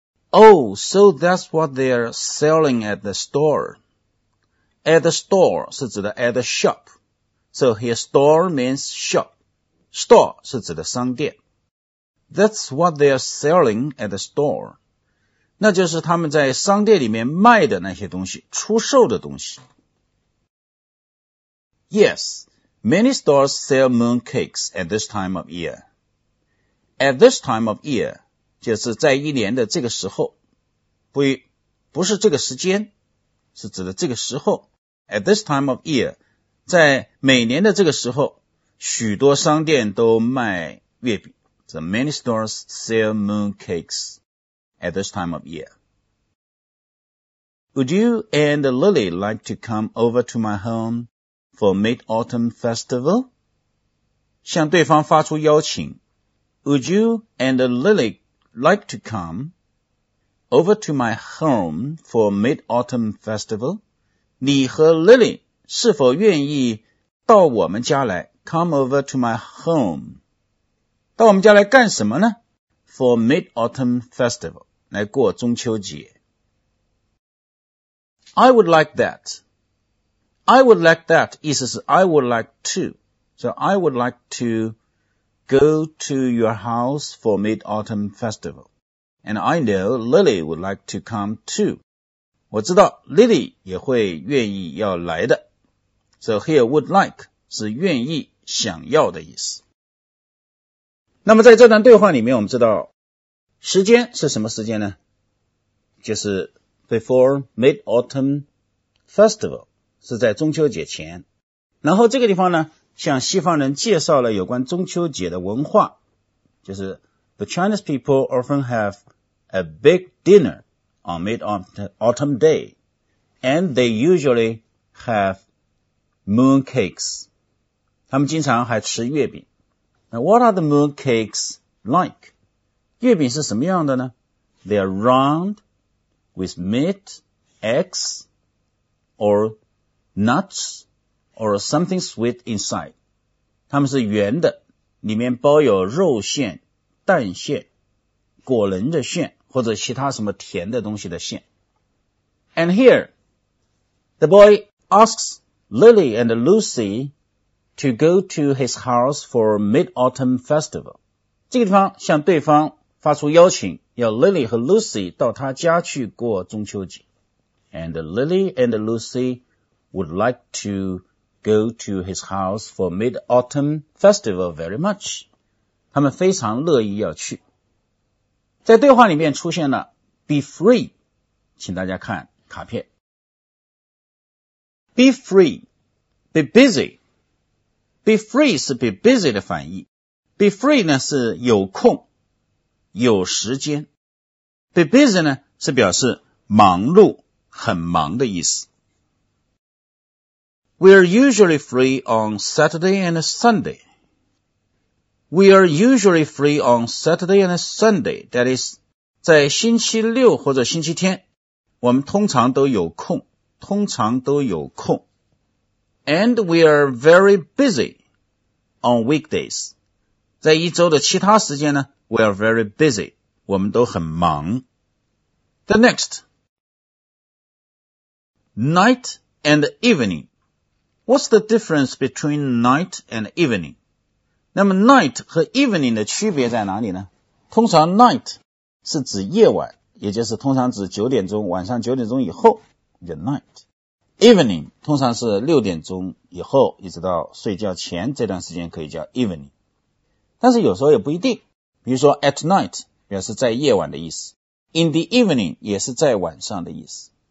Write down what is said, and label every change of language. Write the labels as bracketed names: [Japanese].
[English] Oh, so that's what they're selling at the store. At the store [Chinese] 是指的 [English] at the shop. So here, store means shop. [Chinese] Store 是指的商店。 [English] That's what they're selling at the store. [Chinese] 那就是他们在商店里面卖的那些东西，出售的东西。 [English] Yes, many stores sell mooncakes at this time of year. At this time of year, [Chinese] 就是在一年的这个时候，不是这个时间，是指的这个时候。 [English] At this time of year, [Chinese] 在每年的这个时候，许多商店都卖月饼。 [English] So many stores sell mooncakes at this time of year. Would you and Lily like to come over to my home? For Mid-Autumn Festival? [Chinese] 向对方发出邀请。 [English] Would you and Lily like to come over to my home for Mid-Autumn Festival? [Chinese] 你和 Lily 是否愿意到我们家来 [English] ?Come over to my home. [Chinese] 到我们家来干什么呢 [English] ?For Mid-Autumn Festival. [Chinese] 来过中秋节。 [English] I would like that. I would like that, 意思是 I would like to. So I would like to go to your house for Mid-Autumn Festival. And I know Lily would like to come too. [Chinese] 我知道 Lily 也会愿意要来的。 [English] So here would like [Chinese] 是愿意想要的意思。那么在这段对话里面我们知道时间是什么时间呢？就是 [English] before mid-autumn festival， [Chinese] 是在中秋节前。然后这个地方呢，向西方人介绍了有关中秋节的文化，就是 [English] the Chinese people often have a big dinner on mid-autumn day， and they usually have moon cakes， [Chinese] 他们经常还吃月饼。 [English] Now, what are the moon cakes like？ [Chinese] 月饼是什么样的呢？ [English] They are round with meat, eggs, or nuts, or something sweet inside. [Chinese] 它们是圆的，里面包有肉馅、蛋馅、果仁的馅，或者其他什么甜的东西的馅。 [English] And here, the boy asks Lily and Lucy to go to his house for mid-autumn festival. [Chinese] 这个地方向对方发出邀请，要 Lily 和 Lucy 到他家去过中秋节。 [English] And Lily and Lucy would like to go to his house for mid-autumn festival very much. [Chinese] 他们非常乐意要去。在对话里面出现了 be free， 请大家看卡片。 [English] Be free， be busy。 [Chinese] Be free 是 be busy 的反义。 Be free 呢是有空，有时间。 Be busy 呢是表示忙碌，很忙的意思。 [English] We are usually free on Saturday and Sunday. We are usually free on Saturday and Sunday. That is, [Chinese] 在星期六或者星期天，我们通常都有空，通常都有空。 [English] And we are very busy on weekdays. [Chinese] 在一周的其他时间呢， [English] we are very busy. [Chinese] 我们都很忙。 [English] The next. Night and evening. What's the difference between night and evening? [Chinese] 那么 night 和 evening 的区别在哪里呢？通常 night 是指夜晚，也就是通常指九点钟，晚上九点钟以后的 night。 Evening 通常是六点钟以后一直到睡觉前这段时间可以叫 evening， 但是有时候也不一定，比如说 [English] at night [Chinese] 表示在夜晚的意思， [English] in the evening [Chinese] 也是在晚上的意思。